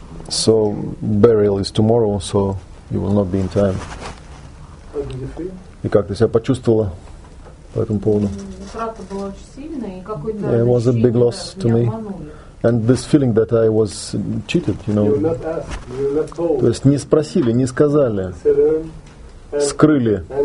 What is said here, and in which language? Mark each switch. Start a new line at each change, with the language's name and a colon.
English: So burial is tomorrow, so you will not be in time.
Russian: И как ты себя почувствовала по этому поводу?
English: It was a big loss to me. And this feeling that I was cheated, you know.
Russian: То есть не спросили, не сказали, скрыли.